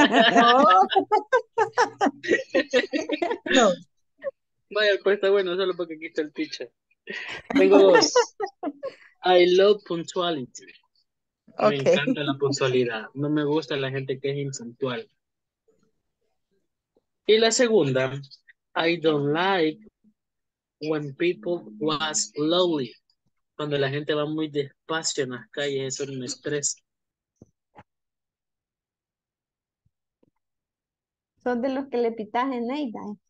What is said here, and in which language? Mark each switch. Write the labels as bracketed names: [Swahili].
[Spanish] No. No. Vaya, pues está bueno, solo porque aquí está el teacher. Tengo dos. [English] I love punctuality. Okay. [Spanish] Me encanta la puntualidad. No me gusta la gente que es impuntual. Y la segunda, [English] I don't like when people walk slowly. [Spanish] Cuando la gente va muy despacio en las calles, eso es un estrés. ¿Son de los que le pitas en Neida?